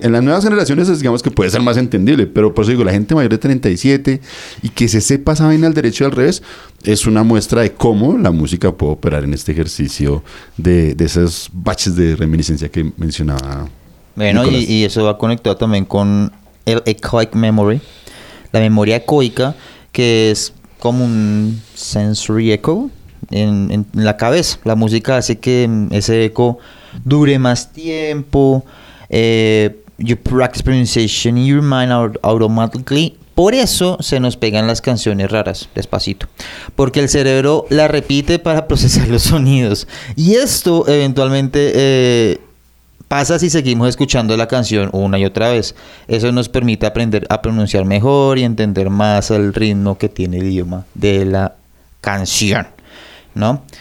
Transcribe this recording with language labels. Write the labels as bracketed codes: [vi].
[es] En las nuevas generaciones, digamos que puede ser más entendible. Pero por eso digo, la gente mayor de 37 y que se sepa esa vaina al derecho y al revés, es una muestra de cómo la música puede operar en este ejercicio de esos baches de reminiscencia que mencionaba. Bueno, y eso va conectado también con el echoic memory. La memoria ecoica, que es como un [en] sensory echo [es] en la cabeza. La música hace que ese eco dure más tiempo. [en] You practice pronunciation in your mind automatically. [es] Por eso se nos pegan las canciones raras, despacito. Porque el cerebro la repite para procesar los sonidos. Y esto eventualmente pasa si seguimos escuchando la canción una y otra vez. Eso nos permite aprender a pronunciar mejor y entender más el ritmo que tiene el idioma de la canción, ¿no?